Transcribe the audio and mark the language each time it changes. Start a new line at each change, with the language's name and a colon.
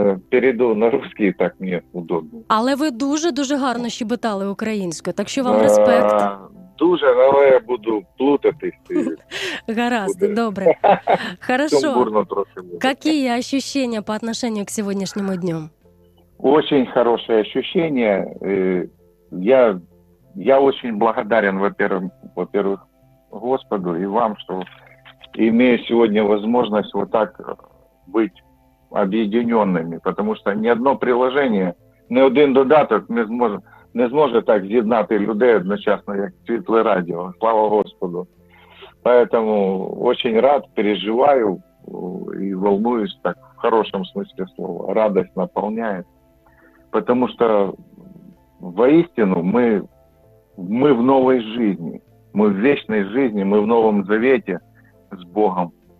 Ukrainian: Перейду на русський, так мені удобно. Але ви дуже-дуже гарно щебетали українською, так що вам респект. Дуже, але я буду плутатись. Гаразд, добре.
Russian: Хорошо. Какі ощущення по отношению к
Ukrainian: сьогоднішньому
Russian: дню? Очень хорошее ощущение. Я очень благодарен, во-первых, Господу и вам, что имею сегодня возможность вот так быть объединенными, потому что ни одно приложение, ни один додаток не сможет...
Ukrainian: Не зможе так з'єднати людей одночасно, як Світле Радіо. Слава Господу.
Russian: Поэтому очень рад, переживаю и волнуюсь так в хорошем смысле слова. Радость наполняет. Потому что воистину мы в новой жизни. Мы в вечной жизни, мы в Новом Завете с Богом.